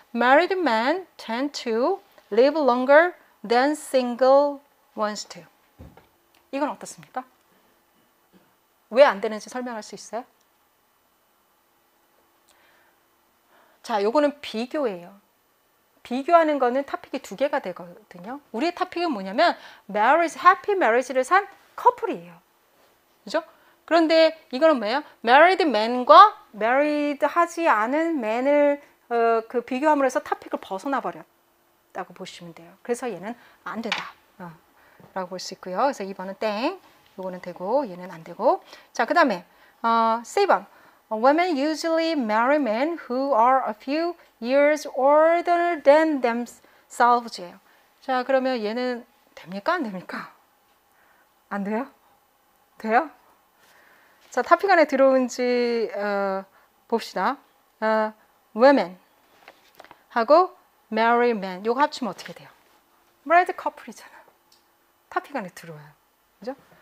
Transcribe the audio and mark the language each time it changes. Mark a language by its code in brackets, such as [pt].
[en] Married men tend to live longer than single ones do. [ko] 이건 어떻습니까? 왜안 되는지 설명할 수 있어요? 자, 요거는 비교예요. 비교하는 거는 토픽이 두 개가 되거든요. 우리의 토픽은 뭐냐면 marriage, happy marriage를 산 커플이에요. 그죠? 그런데 이거는 뭐예요? Married man과 married 하지 않은 man을 그 비교함으로 해서 topic을 벗어나버렸다고 보시면 돼요. 그래서 얘는 안 된다라고 볼수 있고요. 그래서 2번은 땡, 이거는 되고 얘는 안 되고. 자, 그 다음에 3번. [en] Women usually marry men who are a few years older than themselves. [ko] 자, 그러면 얘는 됩니까? 안 됩니까? 안 돼요? 돼요? 자, 탑픽 안에 들어온지 봅시다. Women 하고 marry men 요거 합치면 어떻게 돼요? married couple이잖아. 탑픽 안에 들어와요. 그죠?